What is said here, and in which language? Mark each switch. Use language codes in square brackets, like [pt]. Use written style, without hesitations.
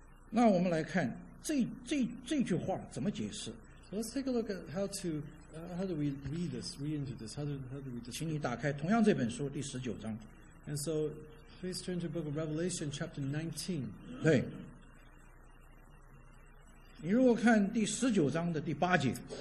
[zh] 那我们来看这句话怎么解释。 [en] So let's take a look at how do we read this, read into this, how do we describe it? [zh] 请你打开同样这本书第十九章。 [en] And so please turn to the book of Revelation chapter 19. [zh] 对。你如果看第十九章的第八节。